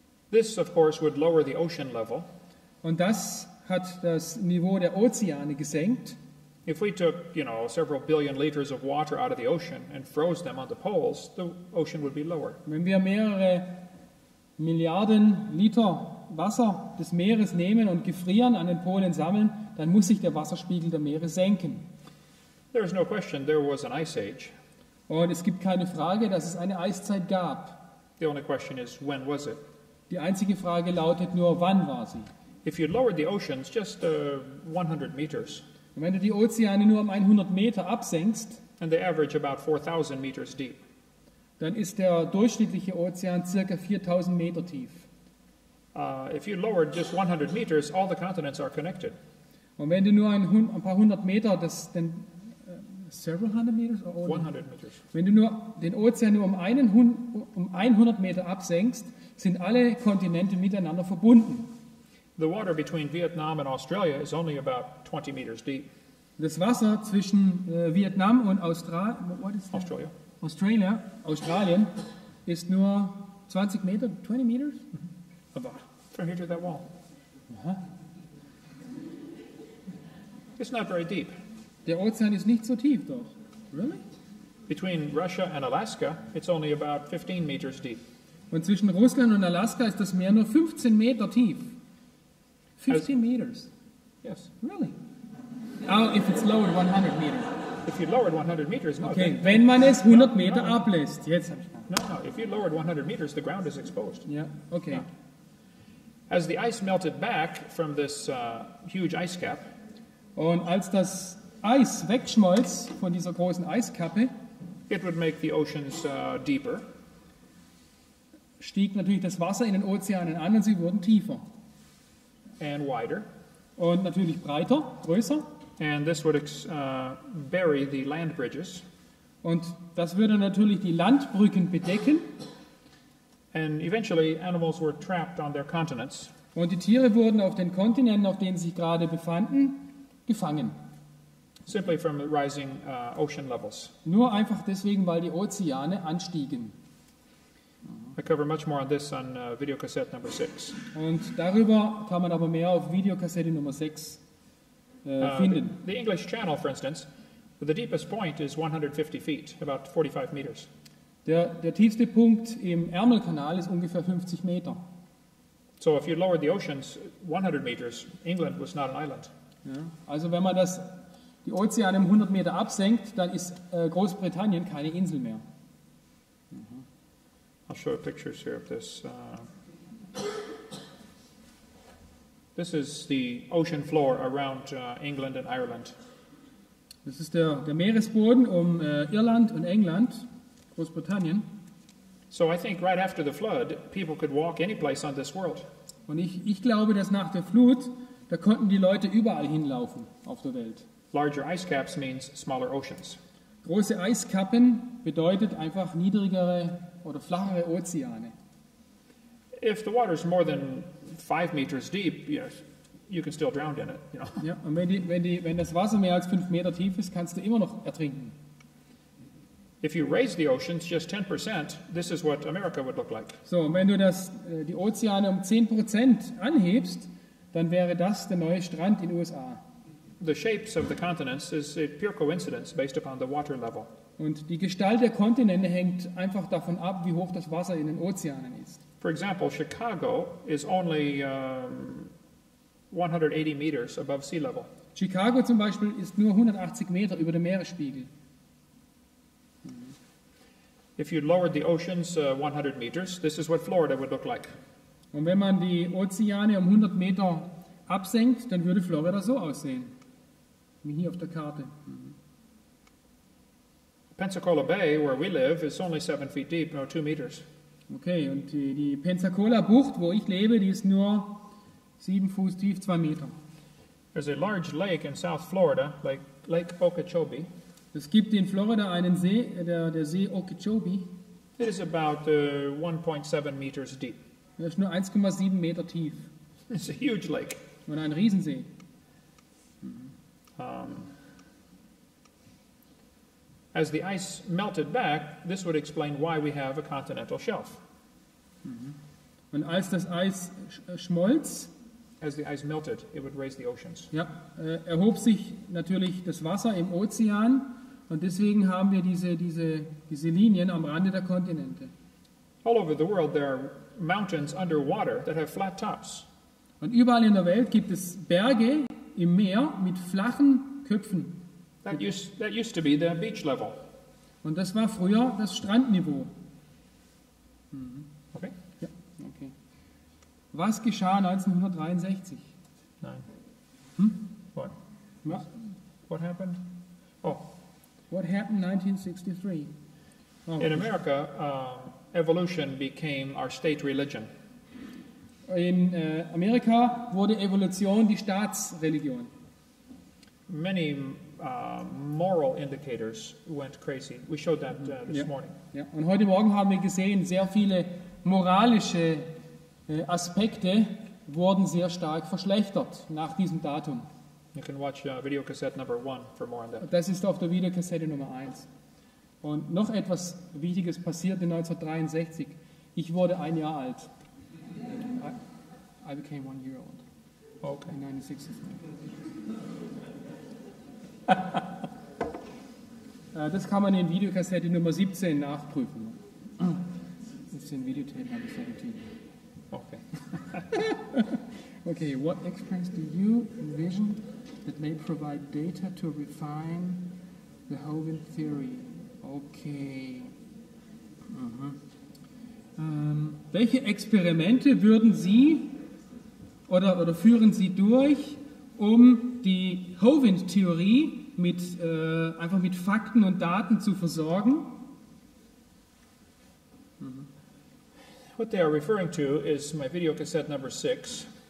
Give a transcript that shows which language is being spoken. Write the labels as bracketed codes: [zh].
[en] This of course would lower the ocean level. [de] Und das hat das Niveau der Ozeane gesenkt. [en] If we took, you know, several billion liters of water out of the ocean and froze them on the poles, the ocean would be lower. [de] Wenn wir mehrere Milliarden Liter Wasser des Meeres nehmen und gefrieren an den Polen sammeln, dann muss sich der Wasserspiegel der Meere senken. [en] There is no question there was an ice age. [de] Und es gibt keine Frage, dass es eine Eiszeit gab. [en] The only question is, when was it? [de] Die einzige Frage lautet nur, wann war sie? [en] If you lowered the oceans just 100 meters. [de] Und wenn du die Ozeane nur um 100 Meter absenkst, [en] and they average about 4,000 meters deep, [de] dann ist der durchschnittliche Ozean ca. 4,000 Meter tief. [en] If you lowered just 100 meters, all the continents are connected. [de] Und wenn du nur ein paar hundert Meter, das denn [en] several hundred meters or 100 meters. [de] Wenn du nur den Ozean nur um 100 Meter absenkst, sind alle Kontinente miteinander verbunden. [en] The water between Vietnam and Australia is only about 20 meters deep. [de] Das Wasser zwischen Vietnam und [en] Australia. [de] Australia, Australien ist nur 20 Meter, [en] 20 meters? About from here to that wall. It's not very deep. [de] Der Ozean ist nicht so tief doch. [en] Really? Between Russia and Alaska, it's only about 15 meters deep. [de] Und zwischen Russland und Alaska ist das Meer nur 15 Meter tief. [en] 15 meters. Yes. Really? Oh, if it's lowered 100 meters. If you lowered 100 meters, no. [de] Okay, wenn man es 100 Meter ablässt. Jetzt habe ich [en] No, if you lowered 100 meters, the ground is exposed. Yeah, okay. As the ice melted back from this huge ice cap. [de] Und als das Eis wegschmolz von dieser großen Eiskappe. [en] It would make the oceans deeper. [de] Stieg natürlich das Wasser in den Ozeanen an und sie wurden tiefer. [en] And wider. [de] Und natürlich breiter, größer. [en] And this would bury the land bridges. [de] Und das würde natürlich die Landbrücken bedecken. [en] And eventually animals were trapped on their continents. [de] Und die Tiere wurden auf den Kontinenten, auf denen sie sich gerade befanden, gefangen. [en] Simply from rising ocean levels. [de] Nur einfach deswegen, weil die Ozeane anstiegen. [en] I cover much more on this on video cassette number 6. [de] Und darüber kann man aber mehr auf Videokassette Nummer 6 finden. [en] The English Channel, for instance, the deepest point is 150 feet, about 45 meters. [de] Der tiefste Punkt im Ärmelkanal ist ungefähr 50 Meter. [en] So if you lowered the oceans 100 meters, England was not an island. [de] Ja, also wenn man die Ozeane um 100 Meter absenkt, dann ist Großbritannien keine Insel mehr. [en] I'll show pictures here of this. This is the ocean floor around England and Ireland. [de] Das ist der Meeresboden um Irland und England, Großbritannien. [en] So I think right after the flood, people could walk any place on this world. [de] Und ich glaube, dass nach der Flut, da konnten die Leute überall hinlaufen auf der Welt. [en] Larger ice caps means smaller oceans. [de] Große Eiskappen bedeutet einfach niedrigere oder flachere Ozeane. [en] If the water is more than 5 meters deep, yes, you can still drown in it, you know. [de] Ja, und wenn das Wasser mehr als 5 Meter tief ist, kannst du immer noch ertrinken. [en] If you raise the oceans just 10%, this is what America would look like. [de] So, wenn du das die Ozeane um 10% anhebst, dann wäre das der neue Strand in USA. [en] The shapes of the continents is a pure coincidence based upon the water level. [de] Und die Gestalt der Kontinente hängt einfach davon ab, wie hoch das Wasser in den Ozeanen ist. [en] For example, Chicago is only 180 meters above sea level. [de] Chicago zum Beispiel ist nur 180 Meter über dem Meeresspiegel. [en] If you lowered the oceans 100 meters, this is what Florida would look like. [de] Und wenn man die Ozeane um 100 Meter absenkt, dann würde Florida so aussehen, wie hier auf der Karte. [en] Pensacola Bay, where we live, is only 7 feet deep, no 2 meters. [de] Okay, und die Pensacola Bucht, wo ich lebe, die ist nur 7 Fuß tief, 2 Meter. [en] There's a large lake in South Florida, Lake Okeechobee. [de] Es gibt in Florida einen See, der See Okeechobee. [en] It is about 1.7 meters deep. [de] Er ist nur 1,7 Meter tief. [en] It's a huge lake. [de] Und ein Riesensee. [en] As the ice melted back, this would explain why we have a continental shelf. [de] Mm-hmm. Und als das Eis schmolz, [en] as the ice melted, it would raise the oceans. [de] Ja, erhob sich natürlich das Wasser im Ozean, und deswegen haben wir diese Linien am Rande der Kontinente. [en] All over the world there are mountains underwater that have flat tops. [de] Und überall in der Welt gibt es Berge im Meer mit flachen Köpfen. [en] That used to be the beach level. [de] Und das war früher das Strandniveau. [en] Okay. [de] Ja. Okay. Was geschah 1963? Nein. [en] What? What happened? Oh. What happened 1963? Oh, in America, evolution became our state religion. [de] In Amerika wurde Evolution die Staatsreligion. [en] Many moral indicators went crazy. We showed that this morning. [de] Ja. Und heute Morgen haben wir gesehen, sehr viele moralische Aspekte wurden sehr stark verschlechtert nach diesem Datum. [en] You can watch video cassette number one for more on that. [de] Das ist auf der Videokassette Nummer 1. Und noch etwas Wichtiges passierte 1963. Ich wurde ein Jahr alt. [en] I became 1 year old. Okay. In 1963. [de] Das kann man in Videokassette Nummer 17 nachprüfen. Das ist in Videotape Nummer 17. [en] Okay. Okay, what experience do you envision that may provide data to refine the Hoven theory? Okay. Mhm. [de] Welche Experimente würden Sie oder führen Sie durch, um die Hovind-Theorie einfach mit Fakten und Daten zu versorgen? [en] What they are referring to is my video cassette number 6.